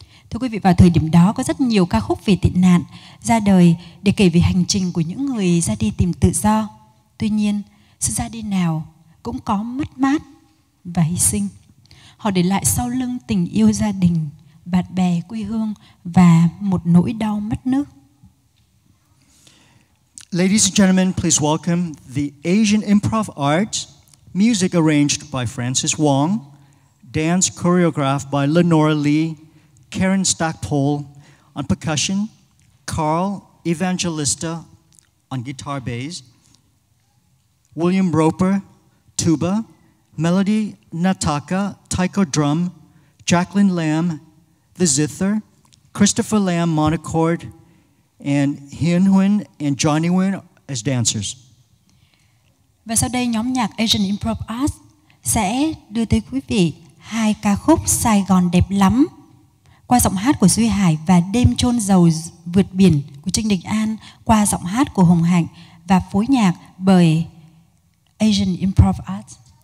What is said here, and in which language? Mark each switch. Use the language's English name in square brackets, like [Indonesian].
[Vietnamese] Thưa quý vị, vào thời điểm đó có rất nhiều ca khúc về tị nạn ra đời để kể về hành trình của những người ra đi tìm tự do. Tuy nhiên, sự ra đi nào cũng có mất mát và hy sinh. Họ để lại sau lưng tình yêu gia đình, bạn bè, quê hương và một nỗi đau mất nước. [English] Ladies and gentlemen, please welcome the Asian Improv Arts, music arranged by Francis Wong, dance choreographed by Lenora Lee, Karen Stackpole on percussion, Carl Evangelista on guitar bass, William Roper, tuba, Melody Nataka, taiko drum, Jacqueline Lam, the zither, Christopher Lam, monochord, and Hien Huynh and Johnny Nguyen as dancers. [Vietnamese] Và sau đây nhóm nhạc Asian Improv Arts sẽ đưa tới quý vị hai ca khúc Sài Gòn đẹp lắm qua giọng hát của Duy Hải và Đêm chôn dầu vượt biển của Trinh Đình An qua giọng hát của Hồng Hạnh và phối nhạc bởi Asian Improv Arts.